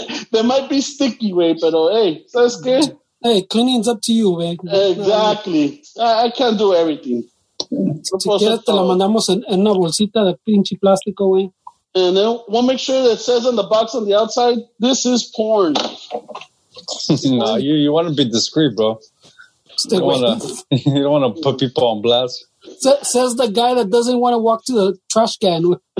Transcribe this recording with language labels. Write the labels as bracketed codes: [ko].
[en] They might be sticky, way, but hey, that's good. Hey, cleaning's up to you, way. Exactly. I can't do everything. [es] Si quieres, te la mandamos en una bolsita de pinche plástico, way. [en] And then we'll make sure that it says on the box on the outside, this is porn. No, you want to be discreet, bro. You don't want to put people on blast. Says the guy that doesn't want to walk to the trash can.